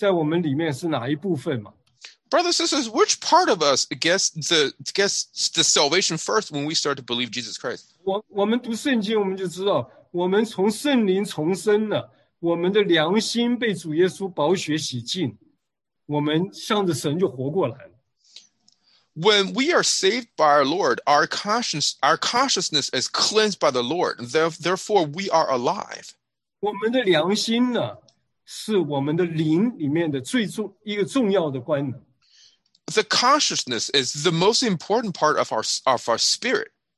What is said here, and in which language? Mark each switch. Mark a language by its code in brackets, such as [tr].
[zh] 弟兄姊妹,你知道我们蒙恩得救,最先蒙拯救在我们里面是哪一部分吗? [en] Brothers and sisters, which part of us gets the salvation first when we start to believe Jesus Christ? [zh] 我们读圣经,我们就知道,我们从圣灵重生了,我们的良心被主耶稣宝血洗净,我们向着神就活过来了。 [en] When we are saved by our Lord, our consciousness is cleansed by the Lord, therefore we are alive. [zh] 我们的良心呢,是我们的灵里面的最重要的官能。 [en] The consciousness is the most important part of our spirit.